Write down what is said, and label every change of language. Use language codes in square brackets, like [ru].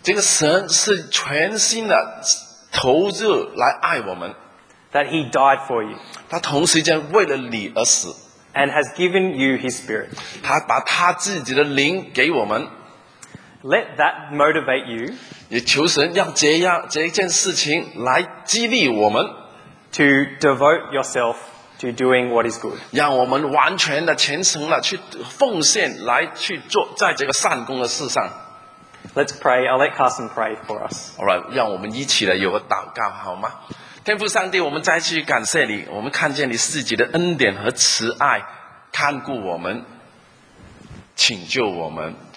[zh] 这个神是全心的投入来爱我们。 [en] That he died for you. [zh] 他同时间为了你而死。 [en] And has given you his spirit. [zh] 他把他自己的灵给我们。 [en] Let that motivate you. [zh] 也求神让这样这件事情来激励我们。 [en] To devote yourself to doing what is good. [zh] 让我们完全的虔诚的去奉献来去做在这个善功的事上。 [en] Let's pray. I'll let Carson pray for us. [zh] All right, 让我们一起来有个祷告好吗？天父上帝，我们再次感谢你，我们看见你自己的恩典和慈爱，看顾我们，请救我们。